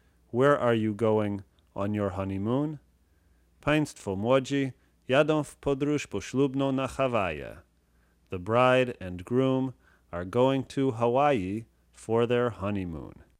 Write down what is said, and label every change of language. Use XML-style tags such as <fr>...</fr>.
<en>Where are you going on your honeymoon?</en> <pl>Państwo młodzi jadą w podróż poślubną na Hawaje.</pl> <en>The bride and groom are going to Hawaii for their honeymoon.</en>